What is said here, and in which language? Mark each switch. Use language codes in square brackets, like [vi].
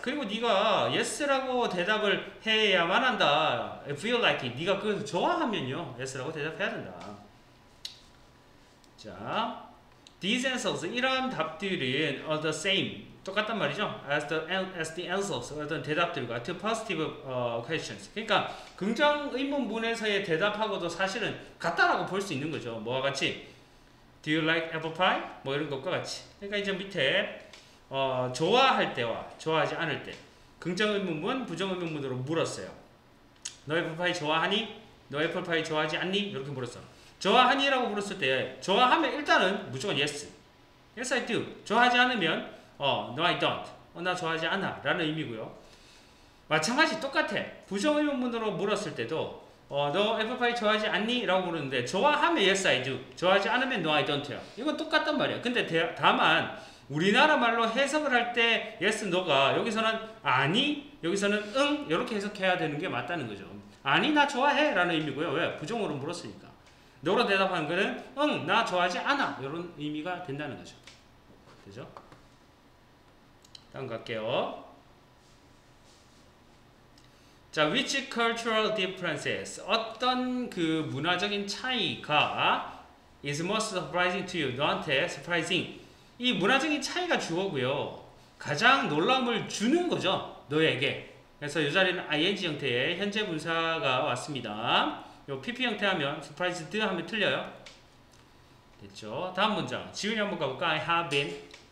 [ko] 그리고 네가 yes라고 대답을 해야만 한다. [en] If you like it. [ko] 네가 그것을 좋아하면요. yes라고 대답해야 된다. [en] 자, these answers, [ko] 이런 답들은 [en] are the same. [ko] 똑같단 말이죠. [en] As the answers, [ko] 어떤 대답들과 [en] to positive questions. [ko] 그러니까 긍정 의문문에서의 대답하고도 사실은 같다라고 볼 수 있는 거죠. 뭐와 같이? [en] Do you like apple pie? [ko] 뭐 이런 것과 같이. 그러니까 이제 밑에 좋아할 때와 좋아하지 않을 때 긍정의문문, 부정의문문으로 물었어요. 너 애플파이 좋아하니? 너 애플파이 좋아하지 않니? 이렇게 물었어. 좋아하니? 라고 물었을 때 좋아하면 일단은 무조건 yes. [en] Yes, I do. [ko] 좋아하지 않으면 [en] no, I don't. [ko] 나 좋아하지 않아 라는 의미고요. 마찬가지 똑같아. 부정의문문으로 물었을 때도 너 애플파이 좋아하지 않니? 라고 물었는데 좋아하면 [en] yes, I do. [ko] 좋아하지 않으면 [en] no, I don't [ko] 요. 이건 똑같단 말이야. 근데 다만 우리나라 말로 해석을 할 때 yes, no가 여기서는 아니, 여기서는 응 이렇게 해석해야 되는 게 맞다는 거죠. 아니, 나 좋아해 라는 의미고요. 왜? 부정으로 물었으니까. 너로 대답하는 거는 응, 나 좋아하지 않아 이런 의미가 된다는 거죠. 되죠? 다음 갈게요. [en] 자, which cultural differences? [ko] 어떤 그 문화적인 차이가 [en] is most surprising to you? [ko] 너한테 surprising. 이 문화적인 차이가 주어고요. 가장 놀라움을 주는 거죠. 너에게. 그래서 이 자리는 ing 형태의 현재 분사가 왔습니다. 요 pp 형태 하면 surprised 하면 틀려요. 됐죠? 다음 문장. 지훈이 한번 가볼까? [en] I have been.